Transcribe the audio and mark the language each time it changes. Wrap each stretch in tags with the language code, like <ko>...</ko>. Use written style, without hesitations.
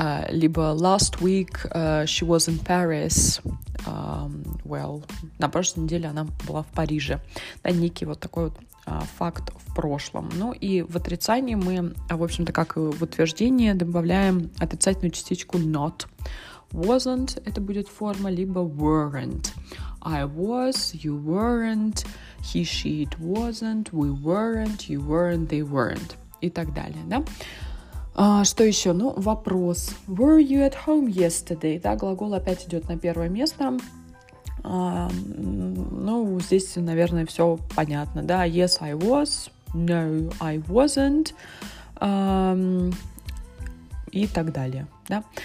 <ru>Либо</ru> <en>last week she was in Paris.</en> <ru>Well, на прошлой неделе она была в Париже. Да, некий вот такой вот факт в прошлом. Ну и в отрицании мы, в общем-то, как и в утверждении, добавляем отрицательную частичку not. Wasn't — это будет форма, либо weren't.</ru> <en>I was, you weren't, he, she, it wasn't, we weren't, you weren't, they weren't,</en> <ru>и так далее, да? Что еще? Ну, вопрос.</ru> <en>Were you at home yesterday?</en> <ru>Да, глагол опять идет на первое место. Ну, здесь, наверное, все понятно, да?</ru> <en>Yes, I was, no, I wasn't,</en> <ru>и так далее. Да.</ru>